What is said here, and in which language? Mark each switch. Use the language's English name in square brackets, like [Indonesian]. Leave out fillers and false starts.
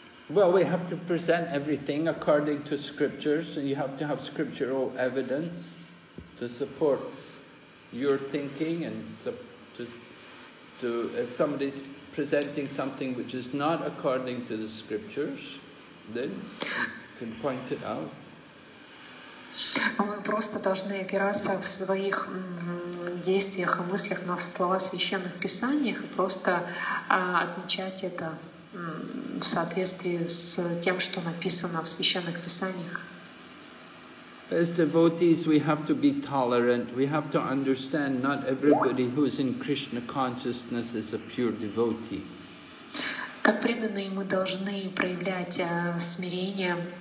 [English] Well, we have to present everything according to scriptures, and you have to have scriptural evidence to support your thinking, and to if somebody's presenting something which is not according to the scriptures, then you can point it out. [Russian] Мы просто должны опираться в своих действиях и мыслях на слова священных писаниях, просто отмечать это в соответствии с тем, что написано в священных писаниях. [English] As devotees, we have to be tolerant. We have to understand not everybody who is in Krishna consciousness is a pure devotee. [Russian] Как преданные, мы должны проявлять смирение.